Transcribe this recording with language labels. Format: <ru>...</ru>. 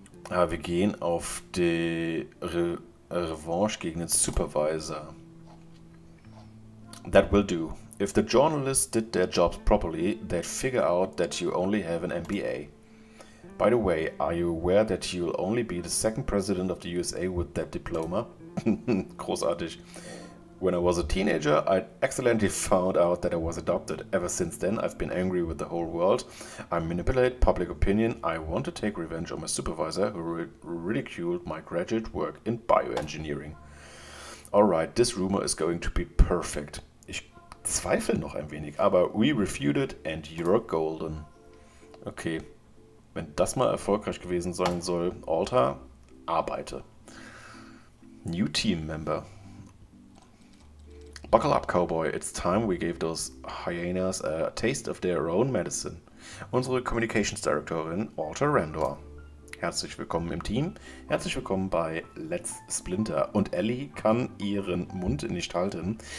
<de>Aber wir gehen auf die Revanche gegen den Supervisor.</de> <en>That will do. If the journalists did their jobs properly, they'd figure out that you only have an MBA. By the way, are you aware that you'll only be the second president of the USA with that diploma?</en> <de>Großartig.</de> <en>When I was a teenager, I accidentally found out that I was adopted. Ever since then, I've been angry with the whole world. I manipulate public opinion. I want to take revenge on my supervisor who ridiculed my graduate work in bioengineering. Alright, this rumor is going to be perfect.</en> <de>Ich zweifle noch ein wenig, aber</de> <en>we refute it and you're golden.</en> <de>Okay. Wenn das mal erfolgreich gewesen sein soll, Alter, arbeite.</de> <en>New team member. Buckle up, Cowboy. It's time we gave those hyenas a taste of their own medicine.</en> <de>Unsere Communications Directorin, Alter Randor. Herzlich willkommen im Team. Herzlich willkommen bei Let's Splinter. Und Ellie kann ihren Mund nicht halten.</de>